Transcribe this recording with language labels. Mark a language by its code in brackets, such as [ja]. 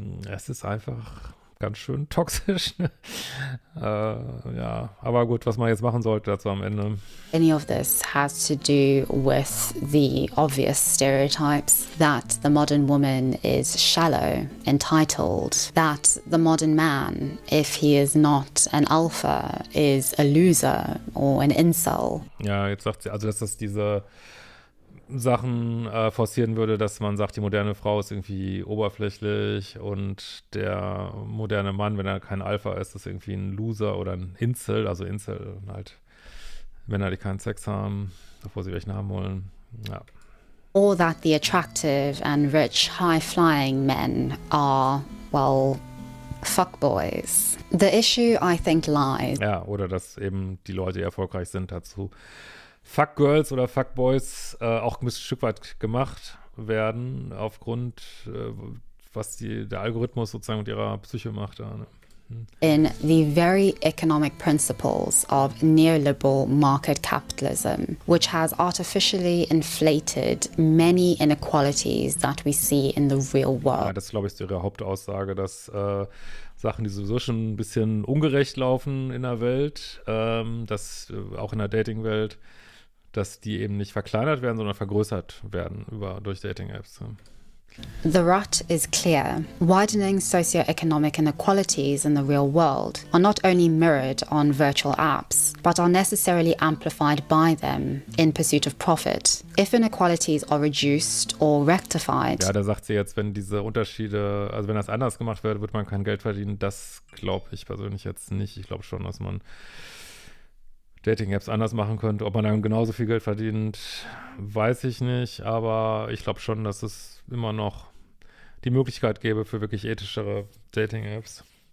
[de] Es ist einfach ganz schön toxisch. ja, aber gut, was man jetzt machen sollte dazu am Ende. [en] Any of this has to do with the obvious stereotypes that the modern woman is shallow, entitled, that the modern man, if he is not an alpha, is a loser or an incel. [de] Ja, jetzt sagt sie, also dass das diese Sachen forcieren würde, dass man sagt, die moderne Frau ist irgendwie oberflächlich und der moderne Mann, wenn er kein Alpha ist, ist irgendwie ein Loser oder ein Incel, also Incel halt Männer, die keinen Sex haben, bevor sie welchen haben wollen. Ja. [en] Or that the attractive and rich high-flying men are, well, fuckboys. The issue, I think, lies. [de] Ja, oder dass eben die Leute, die erfolgreich sind, dazu Fuckgirls oder Fuckboys auch ein Stück weit gemacht werden, aufgrund, was der Algorithmus sozusagen mit ihrer Psyche macht. Ja, ne? [en] In the very economic principles of neoliberal market capitalism, which has artificially inflated many inequalities that we see in the real world. [de] Ja, das glaube ich, ist ihre Hauptaussage, dass Sachen, die sowieso schon ein bisschen ungerecht laufen in der Welt, dass auch in der Dating-Welt, dass die eben nicht verkleinert werden, sondern vergrößert werden durch Dating-Apps. [en] The rut is clear. Widening socioeconomic inequalities in the real world are not only mirrored on virtual apps, but are necessarily amplified by them in pursuit of profit. If inequalities are reduced or rectified. [de] Ja, da sagt sie jetzt, wenn diese Unterschiede, also wenn das anders gemacht wird, wird man kein Geld verdienen. Das glaube ich persönlich jetzt nicht. Ich glaube schon, dass man Dating-Apps anders machen könnte. Ob man dann genauso viel Geld verdient, weiß ich nicht. Aber ich glaube schon, dass es immer noch die Möglichkeit gäbe für wirklich ethischere Dating-Apps.